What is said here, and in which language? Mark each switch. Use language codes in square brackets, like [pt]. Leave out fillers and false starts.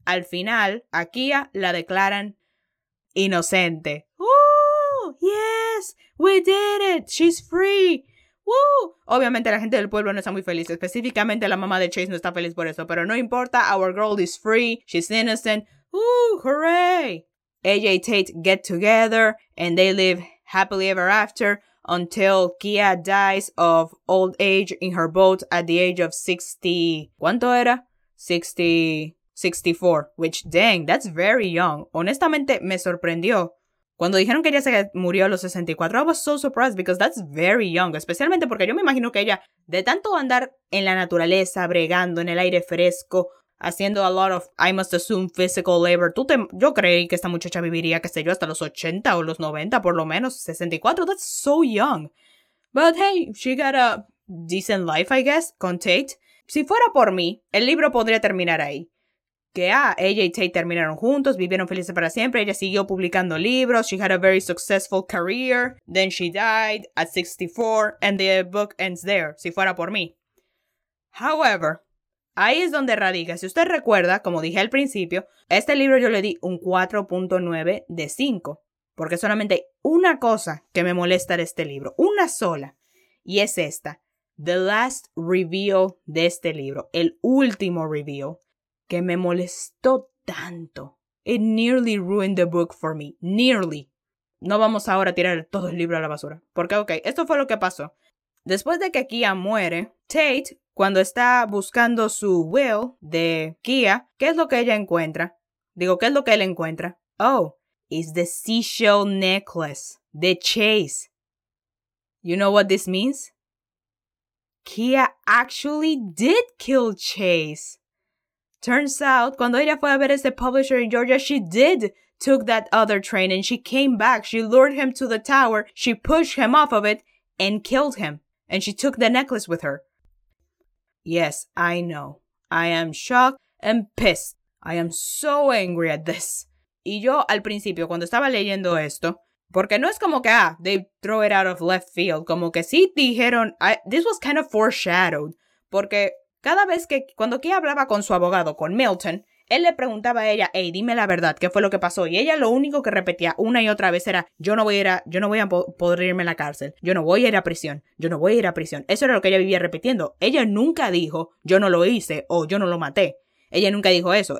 [es] Al final, a Kia la declaran inocente. ¡Woo! [en] ¡Yes! ¡We did it! ¡She's free! ¡Woo! [es] Obviamente, la gente del pueblo no está muy feliz. Específicamente, la mamá de Chase no está feliz por eso. Pero no importa. [en] Our girl is free. She's innocent. ¡Woo! ¡Hooray! AJ y Tate get together and they live happily ever after until Kia dies of old age in her boat at the age of 60. [es] ¿Cuánto era? [en] 64, which, dang, that's very young. [es] Honestamente, me sorprendió. Cuando dijeron que ella se murió a los 64, [en] I was so surprised because that's very young. [es] Especialmente porque yo me imagino que ella, de tanto andar en la naturaleza, bregando en el aire fresco, haciendo [en] a lot of, I must assume, physical labor. [es] Yo creí que esta muchacha viviría, qué sé yo, hasta los 80 o los 90, por lo menos. [en] 64, that's so young. But hey, she got a decent life, I guess, [es] con Tate. Si fuera por mí, el libro podría terminar ahí. Que ella y Tate terminaron juntos, vivieron felices para siempre. Ella siguió publicando libros. [en] She had a very successful career. Then she died at 64 and the book ends there. [es] Si fuera por mí. However, ahí es donde radica. Si usted recuerda, como dije al principio, este libro yo le di un 4.9 de 5. Porque solamente hay una cosa que me molesta de este libro. Una sola. Y es esta. [en] The last reveal [es] de este libro, el último reveal, que me molestó tanto. [en] It nearly ruined the book for me. [es] Nearly. No vamos ahora a tirar todo el libro a la basura. Porque, ok, esto fue lo que pasó. Después de que Kia muere, Tate, cuando está buscando su will de Kia, ¿qué es lo que ella encuentra? Digo, ¿qué es lo que él encuentra? [en] Oh, it's the seashell necklace, the chase. You know what this means? Kia actually did kill Chase. Turns out, [es] cuando ella fue a ver a ese [en] publisher in Georgia, she did took that other train and she came back. She lured him to the tower, she pushed him off of it, and killed him. And she took the necklace with her. Yes, I know. I am shocked and pissed. I am so angry at this. [es] Y yo, al principio, cuando estaba leyendo esto, porque no es como que, ah, [en] they throw it out of left field. [es] Como que sí dijeron, [en] this was kind of foreshadowed. [es] Porque cada vez que, cuando Kia hablaba con su abogado, con Milton, él le preguntaba a ella, hey, dime la verdad, ¿qué fue lo que pasó? Y ella lo único que repetía una y otra vez era, yo no voy a poder irme a la cárcel. Yo no voy a ir a prisión. Yo no voy a ir a prisión. Eso era lo que ella vivía repitiendo. Ella nunca dijo, yo no lo hice o yo no lo maté. Ella nunca dijo eso.